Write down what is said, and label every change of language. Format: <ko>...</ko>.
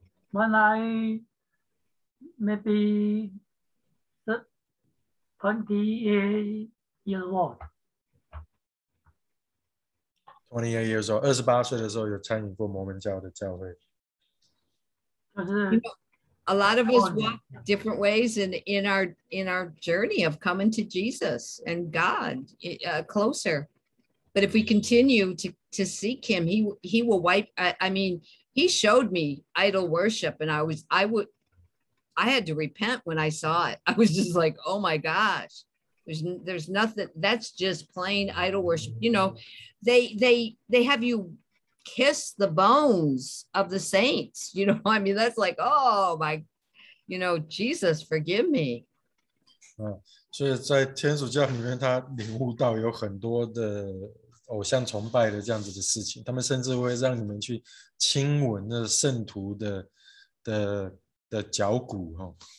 <en>When I maybe 28 years old. 28 years old.</en> <zh>28 岁的时候有参与过摩门教的教会。</zh> <en>A lot of us walk different ways in our journey of coming to Jesus and God closer. But if we continue to seek him, he will wipe. I mean, he showed me idol worship and I had to repent when I saw it. I was just like, oh my gosh, there's nothing. That's just plain idol worship. You know, they have you kiss the bones of the saints. You know what I mean? That's like, oh my, you know, Jesus, forgive me.</en> <zh>所以在天主教里面，他领悟到有很多的偶像崇拜的这样子的事情。他们甚至会让你们去亲吻那圣徒的脚骨哦。</zh>